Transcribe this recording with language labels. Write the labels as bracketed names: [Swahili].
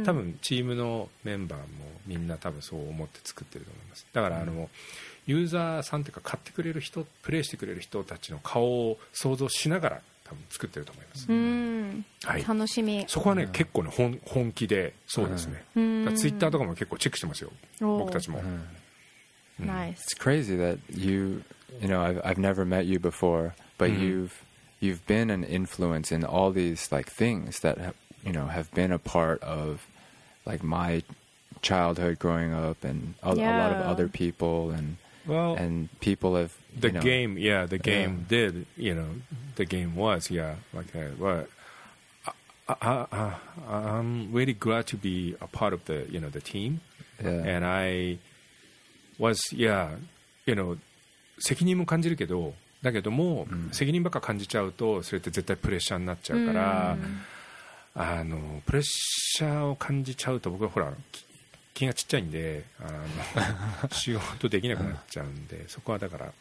[Japanese] 多分チームのメンバーもみんな多分そう思って作ってると思います。だからあのユーザーさんというか買ってくれる人、プレイしてくれる人たちの顔を想像しながら多分作ってると思います。楽しみ。そこはね結構ね本気で、そうですね、ツイッターとかも結構チェックしてますよ僕たちも。 [English] It's crazy that you know, I've never met you before, but you've been an influence in all these like things that you know have been a part of like my childhood growing up and a lot of other people, and well, and people have the, you know, game. Yeah, the game did, you know, the game was, yeah, like that. But I'm really glad to be a part of the, you know, the team. Yeah. And I was, yeah, you know, [Japanese] 責任も感じるけど、だけども、責任ばっか感じちゃうとそれって絶対プレッシャーになっちゃうから、あのプレッシャーを感じちゃうと僕はほら気がちっちゃいんで、あの仕事できなくなっちゃうんで、そこはだから